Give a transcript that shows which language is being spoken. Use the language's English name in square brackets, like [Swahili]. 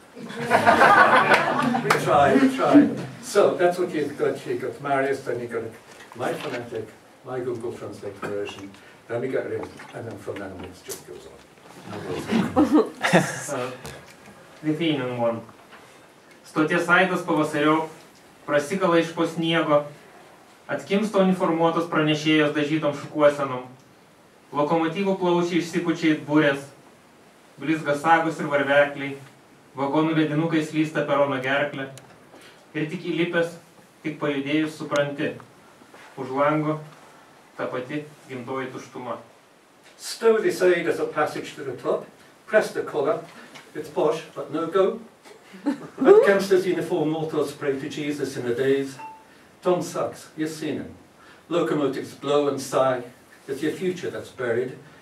[English] we try. So that's what you've got. You've got Marius, then you've got my phonetic, my Google Translate version, then we get rid of it, and then from then on it just goes on. Lithuanian one. [Lithuanian] Stoties aidas pavasariop prasikala iš po sniego, atkimsto uniformuotos pranešėjos dažytom šukuosenom, lokomotyvų plaučiai išsipučia į būrės, blizga sagos ir varvekliai, vagonų ledinukai slysta per ono gerklę, ir tik įlipęs, tik pajudėjus supranti, už lango ta pati gimtoji tuštuma. [English] Stow this aid as a passage to the top, press the collar, it's posh, but no go. At Kempster's uniform, mortals pray to Jesus in the days. Tom sucks, you've seen him. Locomotives blow and sigh, it's your future that's buried.